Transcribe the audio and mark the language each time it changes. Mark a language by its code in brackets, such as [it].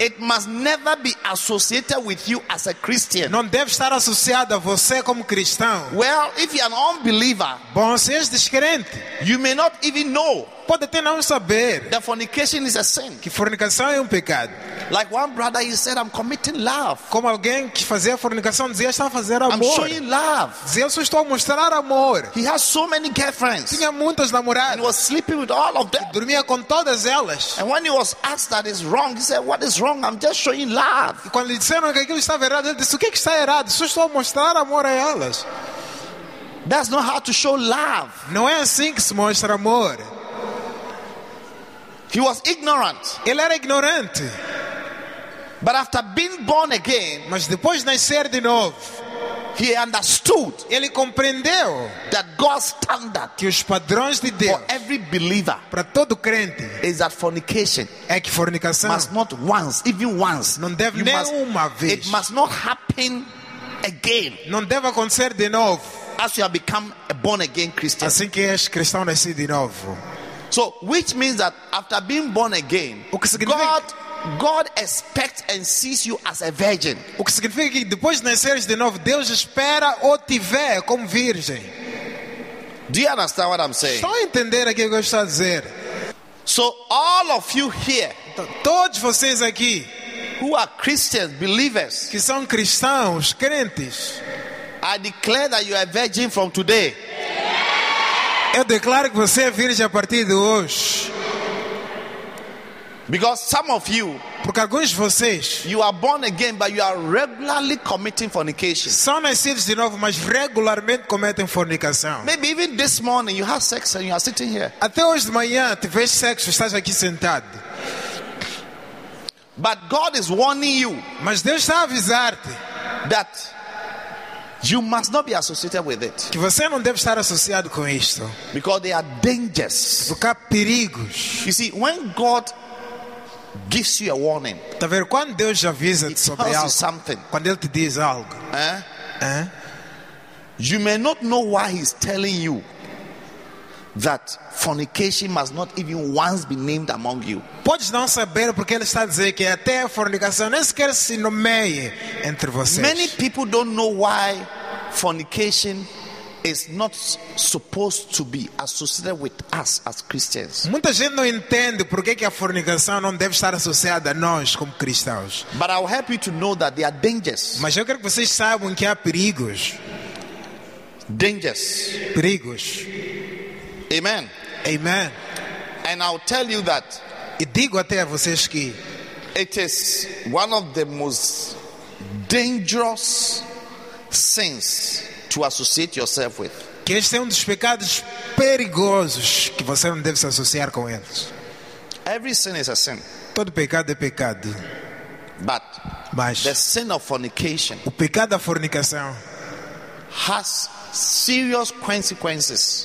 [en] It must never be associated with you as a Christian. [pt] Não deve estar associado a você como cristão. [en] Well, if you are an unbeliever, [pt] bom, se és descrente, [en] you may not even know, [pt] pode até não saber, [en] that fornication is a sin, [pt] que fornicação é pecado. [en] Like one brother, he said, I'm committing love. [pt] Como alguém que fazia fornicação dizia, está a fazer amor. [en] I'm showing love. [pt] Dizia, eu só estou a mostrar amor. [en] He has so many girlfriends. [pt] Tinha muitas namoradas. [en] And he was sleeping with all of them. [pt] E dormia com todas elas. [en] And when he was asked that is wrong, he said, what is wrong? I'm just showing love. [pt] E quando lhe disseram que aquilo estava errado, ele disse, o que está errado? Só estou a mostrar amor a elas. [en] That's not how to show love. [pt] Não é assim que se mostra amor. [en] He was ignorant. [pt] Ele era ignorante. [en] But after being born again, [pt] mas depois de nascer de novo, [en] he understood, [pt] ele compreendeu, [en] that God's standard, [pt] que os padrões de Deus, [en] for every believer, [pt] para todo crente, [en] is that fornication, [pt] é que fornicação, [en] must not once, even once, [pt] não deve nem [en] must, [pt] uma vez, [en] it must not happen again, [pt] não deve acontecer de novo, [en] as you have become a born again Christian, [pt] assim que és cristão nascido de novo. [en] So, which means that after being born again, God expects and sees you as a virgin. [pt] O que significa que depois de nasceres de novo, Deus espera ou te vê como virgem. [en] Do you understand what I'm saying? [pt] Estão a entender aqui o que eu estou a dizer? [en] So, all of you here, [pt] todos vocês aqui, [en] who are Christians, believers, [pt] que são cristãos, crentes, [en] I declare that you are a virgin from today. [pt] Eu declaro que você é virgem a partir de hoje. [en] Because some of you, [pt] porque alguns de vocês, [en] you are born again but you are regularly committing fornication. [pt] São nascidos de novo, mas regularmente cometem fornicação. [en] Maybe even this morning you have sex and you are sitting here. [pt] Até hoje de manhã tiveste sexo, estás aqui sentado. [en] But God is warning you. [pt] Mas Deus está a avisar-te [en] that you must not be associated with it. [pt] Que você não deve estar associado com isto. [en] Because they are dangerous. [pt] Porque há perigos. [en] You see, when God gives you a warning, [pt] tá ver, quando Deus já avisa sobre algo, [en] something, [pt] quando ele te diz algo, [en] you may not know why he's telling you that fornication must not even once be named among you. [pt] Podes não saber porque ele está a dizer que até a fornicação nem sequer se nomeie entre vocês. [en] Many people don't know why fornication is not supposed to be associated with us as Christians. [pt] Muita gente não entende por que a fornicação não deve estar associada a nós como cristãos. [en] But I'll help you to know that there are dangers. [pt] Mas eu quero que vocês saibam que há perigos. [en] Dangers. [pt] Perigos. [en] Amen. [pt] Amen. [en] And I'll tell you that. [pt] E digo até a vocês que [en] it is one of the most dangerous sins to associate yourself with. [pt] Que este é dos pecados perigosos que você não deve se associar com eles. [en] Every sin is a sin. [pt] Todo pecado é pecado. [en] But [pt] mas [en] the sin of fornication, [pt] o pecado da fornicação, [en] has serious consequences,